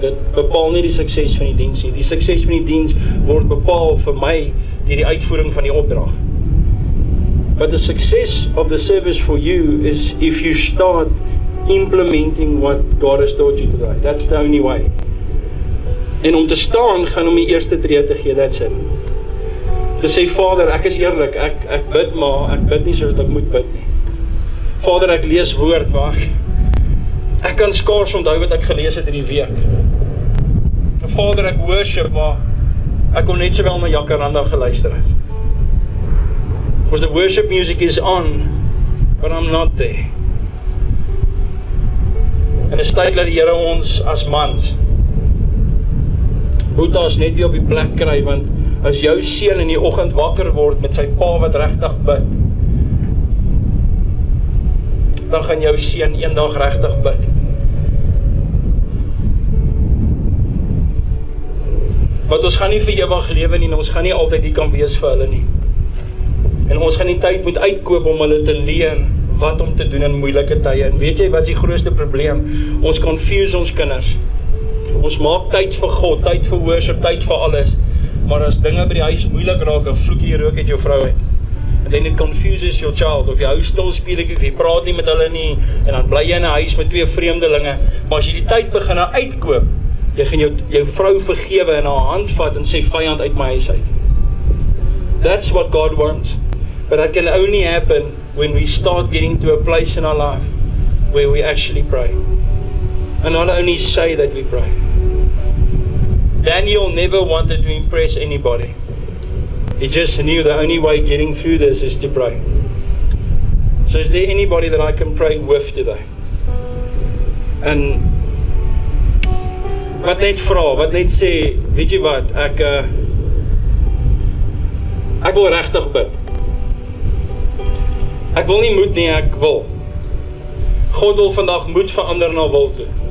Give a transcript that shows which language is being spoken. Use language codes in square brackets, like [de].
[af] Dit bepaal nie die sukses van die diens nie. Die sukses van die diens word bepaal vir my deur die uitvoering van die opdrag. [en] But the success of the service for you is if you start implementing what God has taught you to do. That's the only way. [af] En om te staan gaan om die eerste tree te gee, [en] that's it. To say, Father, [af] ek is eerlik, ek bid maar, ek bid nie soos ek moet bid nie. Vader, ek lees woord, maar ek kan skaars onthou wat ek gelees het in die week. Vader, ek worship, maar ek kon net sowel my jacaranda geluister het. [en] Because the worship music is on, but I'm not there. [af] En is tyd dat die Here ons as mans moet ons net weer op die plek kry, want as jou seun in die oggend wakker word met sy pa wat regtig bid, dan gaan jou seun eendag regtig bid. Want ons gaan nie vir ewig lewe nie, en ons gaan nie altyd hier kan wees vir hulle nie. En ons gaan die tyd moet uitkoop om hulle te leer wat om te doen in moeilike tye. En weet jy wat is die grootste probleem? Ons confuse ons kinders. Ons maak tyd vir God, tyd vir worship, tyd vir alles. Maar as dinge by die huis moeilik raak, en vloek jy rook uit jou vrou uit. [en] And then it confuses your child. [af] Of jy hou stil speel, of jy praat nie met hulle nie. En dan bly jy in 'n huis met 2 vreemdelinge. Maar as jy die tyd begin na uitkoop, jy gaan jou vrou vergewe en haar hand vat en sê, vyand uit my huis uit. [en] That's what God wants. But that can only happen when we start getting to a place in our life where we actually pray. And not only say that we pray. Daniel never wanted to impress anybody. He just knew the only way getting through this is to pray. So is there anybody that I can pray with today? [af] And wat net vra, wat net sê, weet jy wat, ek wil regtig bid. Ek wil nie moed nie, ek wil. God wil vandag moed verander na wil toe.